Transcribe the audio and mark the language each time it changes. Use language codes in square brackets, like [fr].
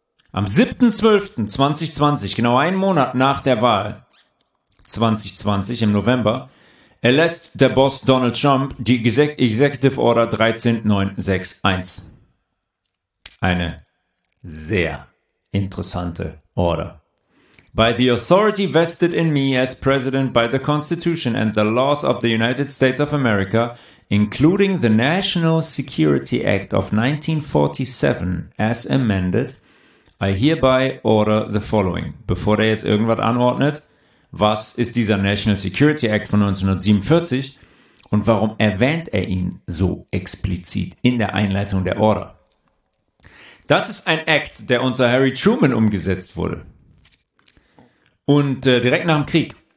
[de] Am 7.12.2020, genau einen Monat nach der Wahl 2020 im November, erlässt der Boss Donald Trump die Executive Order 13961. Eine sehr interessante Order. [en] By the authority vested in me as president by the Constitution and the laws of the United States of America, including the National Security Act of 1947 as amended, I hereby order the following. [de] Bevor der jetzt irgendwas anordnet, was ist dieser National Security Act von 1947 und warum erwähnt er ihn so explizit in der Einleitung der Order? Das ist ein Act, der unter Harry Truman umgesetzt wurde. Und direkt nach dem Krieg.